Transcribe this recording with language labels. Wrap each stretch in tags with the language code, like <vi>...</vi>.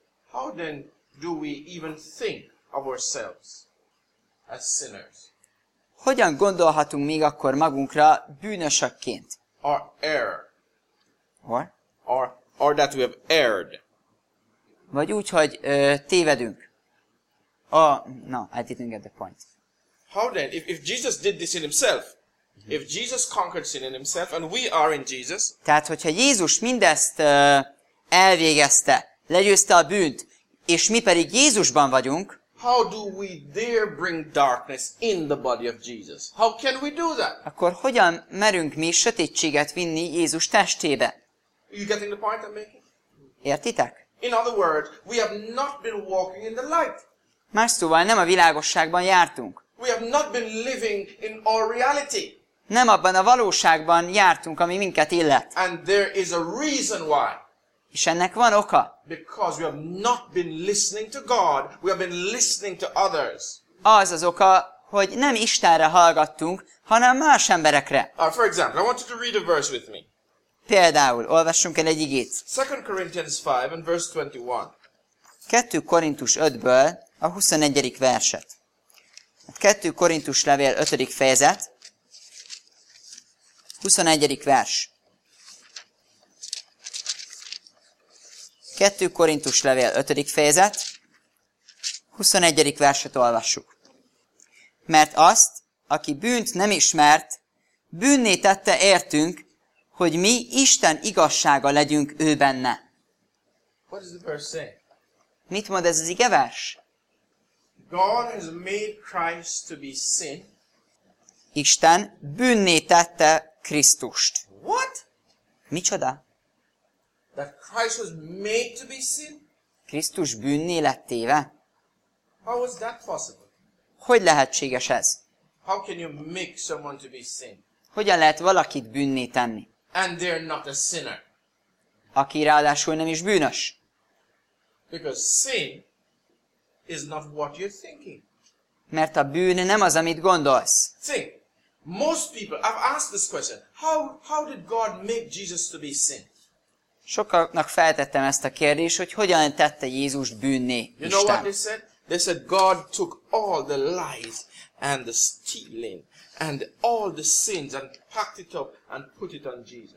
<en>How then do we even think of ourselves as sinners?</en> <hu>Hogyan gondolhatunk még akkor magunkra bűnösökként?</hu> <en>Or error. What? Or that we have erred.</en> <hu>Vagy úgy, hogy tévedünk.</hu> <en>I didn't get the point. How then, if Jesus did this in himself, if Jesus conquered sin in himself, and we are in Jesus.</en> <hu>Tehát, hogyha Jézus mindezt elvégezte, legyőzte a bűnt, és mi pedig Jézusban vagyunk.</hu> <en>How do we dare bring darkness in the body of Jesus? How can we do that?</en> <hu>Akkor hogyan merünk mi sötétséget vinni Jézus testébe?</hu> <en>Are you getting the point I'm making?</en> <hu>Értitek?</hu> <en>In other words, we have not been walking in the light.</en> <hu>Más szóval nem a világosságban jártunk.</hu> <en>We have not been living in our reality.</en> <hu>Nem abban a valóságban jártunk, ami minket illet.</hu> <en>And there is a reason why.</en> <hu>És ennek van oka.</hu> <en>Because we have not been listening to God, we have been listening to others.</en> <hu>Az az oka, hogy nem Istenre hallgattunk, hanem más emberekre.</hu> <en>For example, I want you to read a verse with me.</en> <hu>Például, olvassunk el egy igét.</hu> <en>2 Corinthians 5 and verse 21.</en> <hu>2 Korintus 5-ből a 21. verset. 2 Korintus levél 5. fejezet. 21. vers. 2 Korintus levél 5. fejezet, 21. verset olvassuk. Mert azt, aki bűnt nem ismert, bűnné tette értünk, hogy mi Isten igazsága legyünk ő benne.</hu> <en>What does the verse say?</en> <hu>Mit mond ez az igevers?</hu> <en>God has made Christ to be sin.</en> <hu>Isten bűnné tette Krisztust.</hu> <en>What?</en> <hu>Micsoda?</hu> <en>That Christ was made to be sin?</en> <hu>Krisztus bűnné lett téve?</hu> <en>How was that possible?</en> <hu>Hogy lehetséges ez?</hu> <en>How can you make someone to be sin?</en> <hu>Hogyan lehet valakit bűnné tenni?</hu> <en>And they're not a sinner.</en> <hu>Aki ráadásul nem is bűnös.</hu> <en>Because sin is not what you're thinking.</en> <hu>Mert a bűn nem az, amit gondolsz.</hu> <en>Think. Most people, I've asked this question. How did God make Jesus to be sin?</en> <hu>Sokaknak feltettem ezt a kérdést, hogy hogyan tette Jézust bűnné Isten.</hu> <en>You know what they said? They said God took all the lies and the stealing and all the sins and packed it up and put it on Jesus.</en>